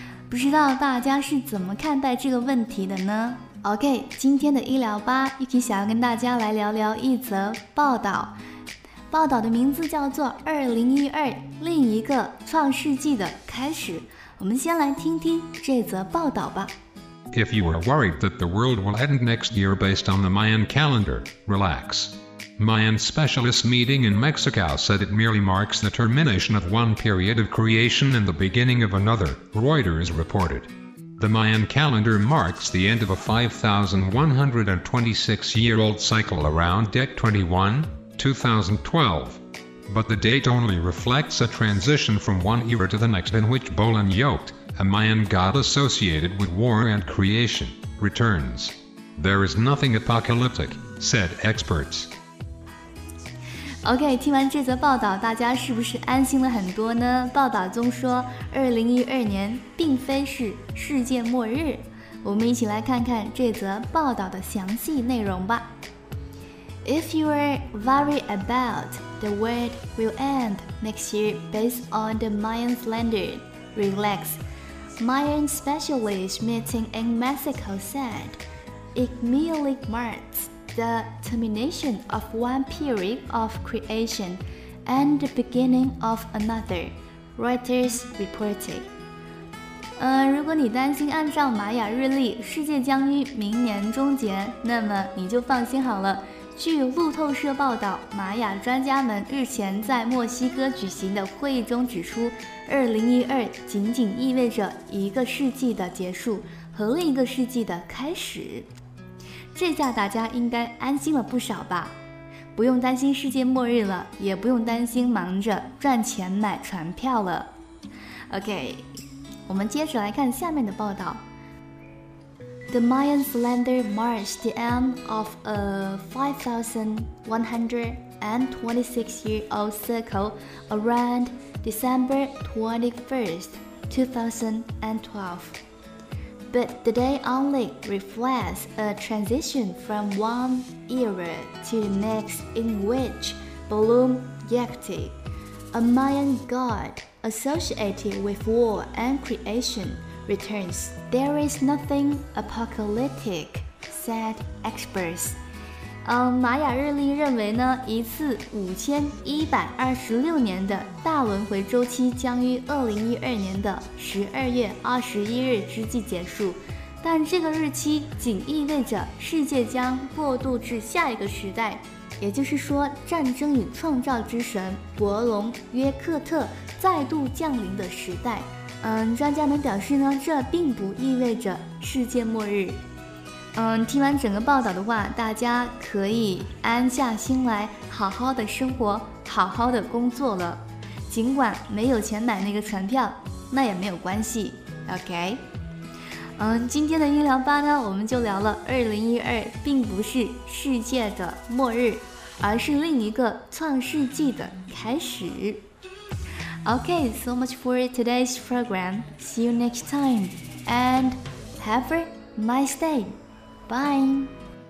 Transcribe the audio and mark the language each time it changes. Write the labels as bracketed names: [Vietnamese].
[Chinese] 不知道大家是怎么看待这个问题的呢？ OK， 今天的医疗吧， Yuki 想要跟大家来聊聊一则报道，报道的名字叫做2012另一个创世纪的开始，我们先来听听这则报道吧。 [English] If you are worried that the world will end next year based on the Mayan calendar, relax. Mayan specialists meeting in Mexico said it merely marks the termination of one period of creation and the beginning of another, Reuters reported. The Mayan calendar marks the end of a 5,126-year-old cycle around Dec 21, 2012. But the date only reflects a transition from one era to the next in which Bolan Yoked,A Mayan god associated with war and creation, returns. There is nothing apocalyptic, said experts. [Chinese] OK, 听完这则报道，大家是不是安心了很多呢？报道中说2012年并非是世界末日。我们一起来看看这则报道的详细内容吧。 [English] If you are worried about the world will end next year based on the Mayan calendar, relax. Mayan specialist meeting in Mexico said it merely marks the termination of one period of creation and the beginning of another, Reuters reported. [Chinese] 如果你担心按照玛雅日历世界将于明年终结，那么你就放心好了。据路透社报道，玛雅专家们日前在墨西哥举行的会议中指出，2012仅仅意味着一个世纪的结束和另一个世纪的开始。这下大家应该安心了不少吧，不用担心世界末日了，也不用担心忙着赚钱买船票了。 OK， 我们接着来看下面的报道。 [English] The Mayan calendar marks the end of a 5,126-year-old cycle around December 21st, 2012. But the day only reflects a transition from one era to the next in which Bolum Yekti, a Mayan god associated with war and creation,Returns. There is nothing apocalyptic, said experts. [Chinese] 玛雅日历认为呢，一次5126年的大轮回周期将于2012年的12月21日之际结束，但这个日期仅意味着世界将过渡至下一个时代，也就是说，战争与创造之神博龙约克特再度降临的时代。专家们表示呢，这并不意味着世界末日。听完整个报道的话，大家可以安下心来，好好的生活，好好的工作了。尽管没有钱买那个船票，那也没有关系。 OK。今天的医疗吧呢，我们就聊了2012并不是世界的末日，而是另一个创世纪的开始。 [English] Okay, so much for today's program. See you next time and have a nice day. Bye.